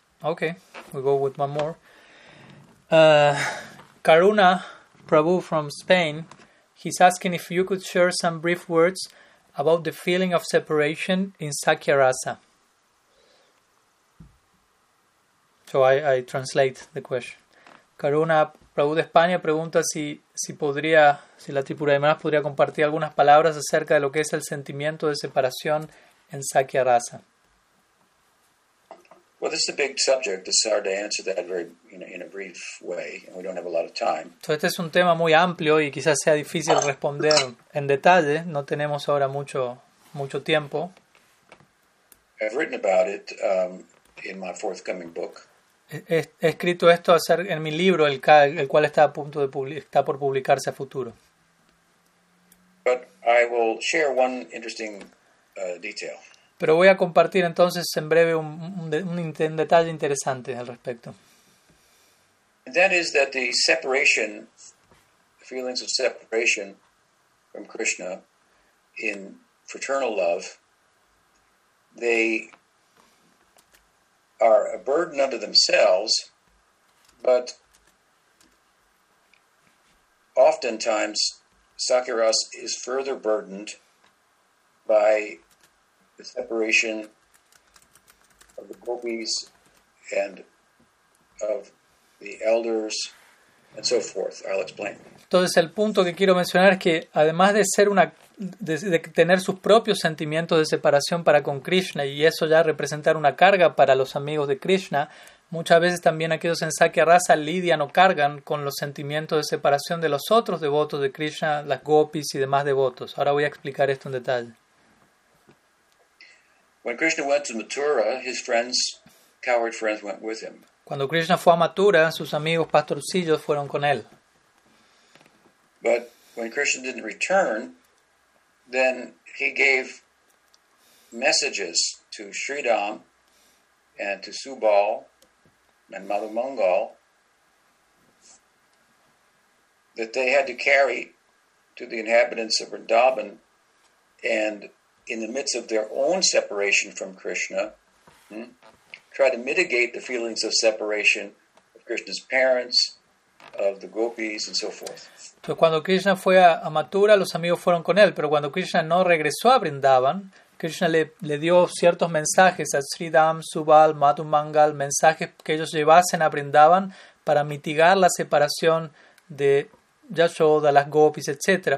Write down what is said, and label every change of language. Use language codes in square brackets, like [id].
[en] Okay, we go with one more. Karuna Prabhu from Spain, he's asking if you could share some brief words about the feeling of separation in Sakya Rasa. So I translate the question. [es] Karuna Prabhu de España pregunta si la Tripura de Manas podría compartir algunas palabras acerca de lo que es el sentimiento de separación en Sakya Rasa. [en] Well, this is a big subject. It's hard to answer that very in a brief way, and we don't have a lot of time. [es] Entonces, este es un tema muy amplio y quizás sea difícil responder en detalle. No tenemos ahora mucho tiempo. [en] I've written about it in my forthcoming book. [es] He escrito esto en mi libro, el cual está a punto de está por publicarse a futuro. [en] But I will share one interesting detail. [es] Pero voy a compartir entonces en breve un detalle interesante al respecto. [en] That is that the separation, feelings of separation from Krishna in fraternal love, they are a burden unto themselves, but oftentimes Sakyaras is further burdened by the separation of the gopis and of the elders and so forth. I'll explain. [es] Entonces el punto que quiero mencionar es que además de ser de tener sus propios sentimientos de separación para con Krishna y eso ya representar una carga para los amigos de Krishna, muchas veces también aquellos en Sakya Rasa lidian o cargan con los sentimientos de separación de los otros devotos de Krishna, las gopis y demás devotos. Ahora voy a explicar esto en detalle. [en] When Krishna went to Mathura, his friends, coward friends, went with him. [es] Cuando Krishna fue a Mathura, sus amigos pastorcillos fueron con él. [en] But when Krishna didn't return, then he gave messages to Sridham and to Subal and Mother Mongol that they had to carry to the inhabitants of Vrindavan, and in the midst of their own separation from Krishna, try to mitigate the feelings of separation of Krishna's parents, of the gopis, and so forth. [es] Entonces, cuando Krishna fue a Mathura, los amigos fueron con él, pero cuando Krishna no regresó a Vrindavan, Krishna le dio ciertos mensajes a Sridham, Subal, Madhu Mangal, mensajes que ellos llevasen a Vrindavan para mitigar la separación de Yashoda, las gopis, etc.